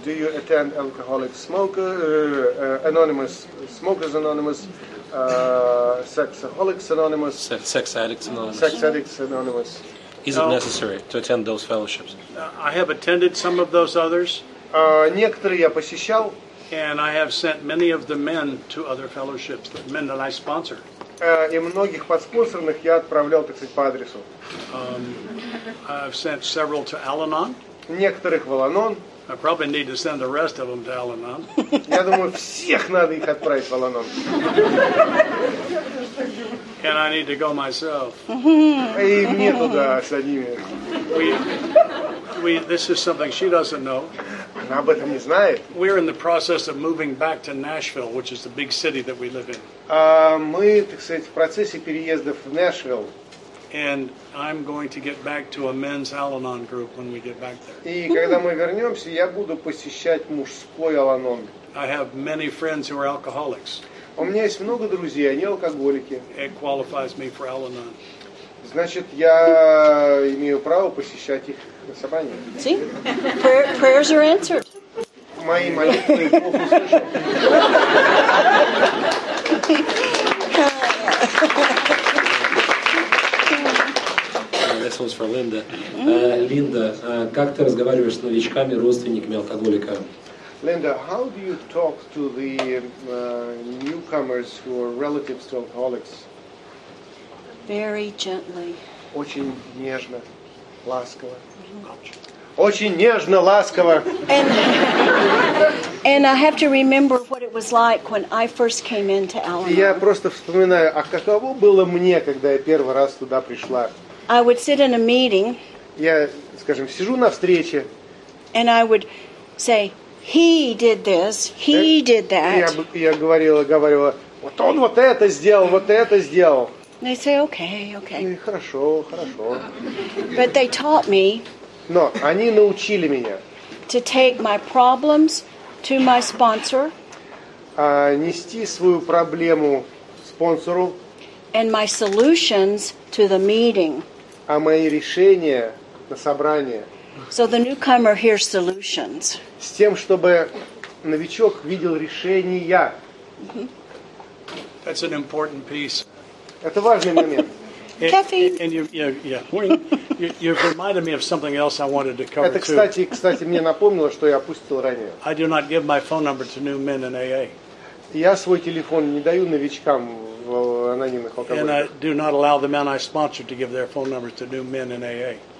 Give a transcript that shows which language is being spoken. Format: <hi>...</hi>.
<en>Do you attend alcoholic smoker, anonymous smokers, anonymous sexaholics, anonymous sex addicts, anonymous? Sex addicts, anonymous. Is it necessary to attend those fellowships? I have attended some of those others.</en> <ru>Некоторые я посещал.</ru> <en>And I have sent many of the men to other fellowships, the men that I sponsor.</en> <ru>И многих подспонсорных я отправлял, так сказать, по адресу.</ru> <en>I've sent several to Al-Anon.</en> <ru>Некоторых в Al-Anon.</ru> <en>I probably need to send the rest of them to Al-Anon.</en> <ru>Я думаю, всех надо их отправить в Al-Anon.</ru> <en>And I need to go myself.</en> <ru>И мне туда с одними.</ru> <en>This is something she doesn't know.</en> <ru>Она об этом не знает.</ru> <en>We're in the process of moving back to Nashville, which is the big city that we live in.</en> <ru>Мы, так сказать, в процессе переезда в Нэшвилл.</ru> <en>And I'm going to get back to a men's Al-Anon group when we get back there.</en> <ru>И когда мы вернемся, я буду посещать мужской Al-Anon.</ru> <en>I have many friends who are alcoholics.</en> <ru>У меня есть много друзей, они алкоголики.</ru> <en>It qualifies me for Al-Anon.</en> <ru>Значит, я имею право посещать их на собрании.</ru> <en>See? Prayers are answered.</en> <ru>мои молитвы.</ru> <en>This one's for Linda.</en> <ru>Linda, как ты разговариваешь с новичками, родственниками алкоголика?</ru> <en>Linda, how do you talk to the newcomers who are relatives to alcoholics? Very gently.</en> <ru>Очень нежно, ласково. Очень нежно, ласково.</ru> <en>And I have to remember what it was like when I first came into Al-Anon.</en> <ru>Я просто вспоминаю, а каково было мне, когда я первый раз туда пришла.</ru> <en>I would sit in a meeting.</en> <ru>Я, скажем, сижу на встрече.</ru> <en>And I would say, he did this, he did that.</en> <ru>Я говорила, вот он вот это сделал, вот это сделал.</ru> <en>They say, okay.</en> <ru>Хорошо, хорошо.</ru> <en>But they taught me.</en> <ru>Но они научили меня.</ru> <en>To take my problems to my sponsor.</en> <ru>Нести свою проблему спонсору.</ru> <en>And my solutions to the meeting.</en> <ru>А мои решения на собрание.</ru> <en>So the newcomer hears solutions.</en> <ru>С тем, чтобы новичок видел решения.</ru> <en>That's an important piece.</en> <ru>Это важный момент.</ru> <en>And you've reminded me of something else I wanted to cover.</en> <ru>Это, кстати, мне напомнило, что я опустил ранее.</ru> <en>I do not give my phone number to new men in AA.</en> <ru>Я свой телефон не даю новичкам в анонимных алкоголиках.</ru> <en>And I do not allow the men I sponsor to give their phone numbers to new men in AA.</en>